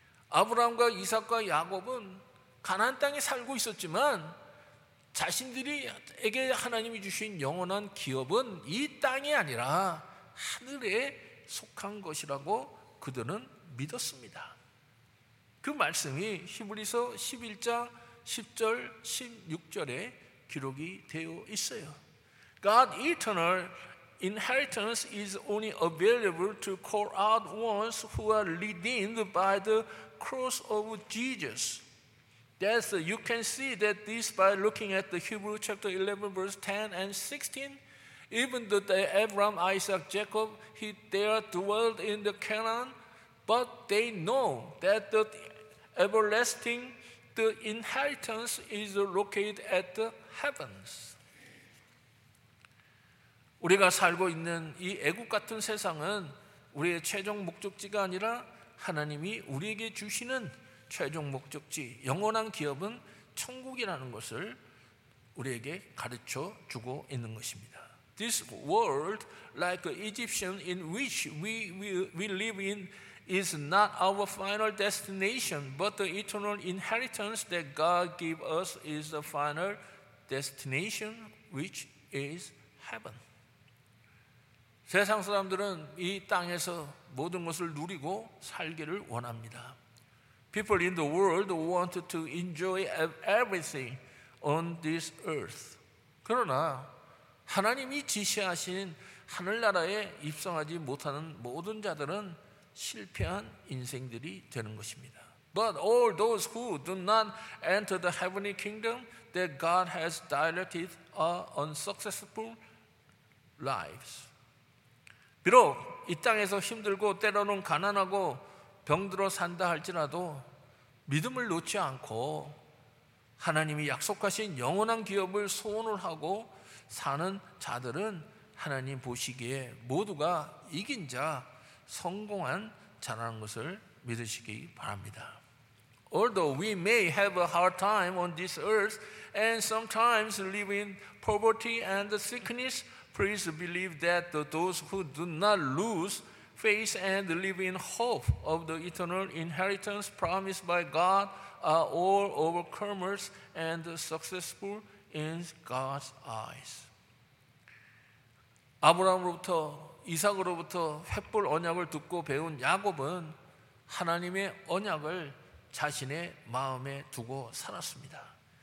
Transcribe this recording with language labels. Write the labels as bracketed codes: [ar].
[ko] 아브라함과 이삭과 야곱은 가나안 땅에 살고 있었지만 자신들에게 하나님이 주신 영원한 기업은 이 땅이 아니라 하늘에 속한 것이라고 그들은 믿었습니다. 그 말씀이 히브리서 11장 10절, 16절에 기록이 되어 있어요. [en] God's eternal inheritance is only available to call out ones who are redeemed by the cross of Jesus. That's, you can see that this by looking at the Hebrews chapter 11, verse 10 and 16. Even though Abraham, Isaac, Jacob, he there dwelt in the Canaan, but they know that the everlasting The inheritance is located at the heavens. [ko] 우리가 살고 있는 이 애굽 같은 세상은 우리의 최종 목적지가 아니라 하나님이 우리에게 주시는 최종 목적지, 영원한 기업은 천국이라는 것을 우리에게 가르쳐 주고 있는 것입니다. [en] This world, like an Egyptian in which we live in, is not our final destination, but the eternal inheritance that God gives us is the final destination, which is heaven. [ko] 세상 사람들은 이 땅에서 모든 것을 누리고 살기를 원합니다. [en] People in the world want to enjoy everything on this earth. [ko] 그러나 하나님이 지시하신 하늘나라에 입성하지 못하는 모든 자들은 실패한 인생들이 되는 것입니다. [en] But all those who do not enter the heavenly kingdom that God has directed are unsuccessful lives. [ko] 비록 이 땅에서 힘들고 때로는 가난하고 병들어 산다 할지라도 믿음을 놓지 않고 하나님이 약속하신 영원한 기업을 소원을 하고 사는 자들은 하나님 보시기에 모두가 이긴 자, 성공한 자라는 것을 믿으시기 바랍니다. [en] Although we may have a hard time on this earth and sometimes live in poverty and sickness, please believe that those who do not lose faith and live in hope of the eternal inheritance promised by God are all overcomers and successful in God's eyes. [ko] 아브라함으로부터 이삭으로부터 횃불 언약을 듣고 배운 야곱은 하나님의 언약을 자신의 마음에 두고 살았습니다.